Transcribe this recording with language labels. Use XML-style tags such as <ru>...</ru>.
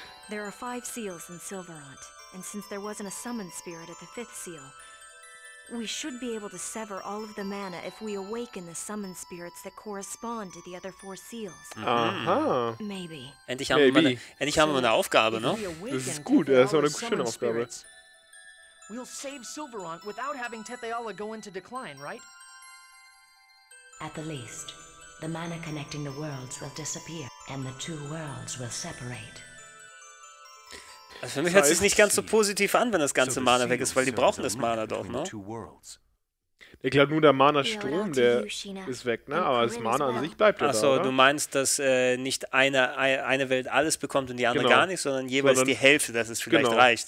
<en>There are five seals in Sylveront, and since there wasn't a summon spirit at the fifth seal, we should be able to sever all of the mana if we awaken the summon spirits that correspond to the other four seals. Aha. Maybe.</en> <de>Endlich haben wir eine Aufgabe, ne? Das ist gut, das ist auch eine schöne Aufgabe.</de> <en>We'll save Sylveront without having Tethiala go into decline, right? At the least. The mana connecting the worlds will disappear and the two worlds will separate.</en> <de>Also für mich hört es nicht ganz so positiv an, wenn das ganze Mana weg ist, weil die brauchen das Mana doch, ne? Ich glaube, nur der Mana-Strom, der ist weg, ne? Aber das Mana an sich bleibt ja da. Achso, du meinst, dass nicht eine Welt alles bekommt und die andere gar nicht, sondern jeweils die Hälfte, dass es vielleicht reicht.</de>